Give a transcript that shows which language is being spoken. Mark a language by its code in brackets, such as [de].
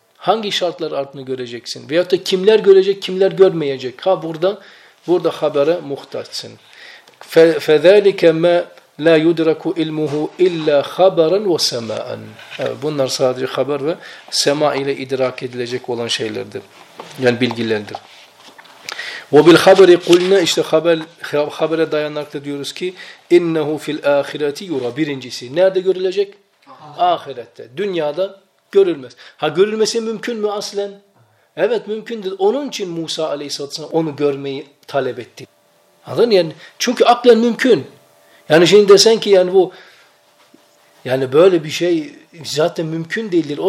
[tr] Hangi şartlar altında göreceksin? Veyahut da kimler görecek, kimler görmeyecek? Ha burada habere muhtaçsın. [ar] فَذَٰلِكَ مَا لَا يُدْرَكُ اِلْمُهُ اِلَّا خَبَرًا وَسَمَاءً. [tr] Evet, bunlar sadece haber ve sema ile idrak edilecek olan şeylerdir. Yani bilgilerdir. [ar] وَبِالْخَبَرِ قُلْنَا [tr] işte habere dayanarak diyoruz ki [ar] اِنَّهُ فِي الْآخِرَةِ يُرَى. [tr] Birincisi. Nerede görülecek? Ahirette. Dünyada görülmez. Ha görülmesi mümkün mü aslen? Evet mümkündür. Onun için Musa Aleyhisselatü'nün onu görmeyi talep etti. Anladın yani? Çünkü aklen mümkün. Yani şimdi desen ki yani bu yani böyle bir şey zaten mümkün değildir.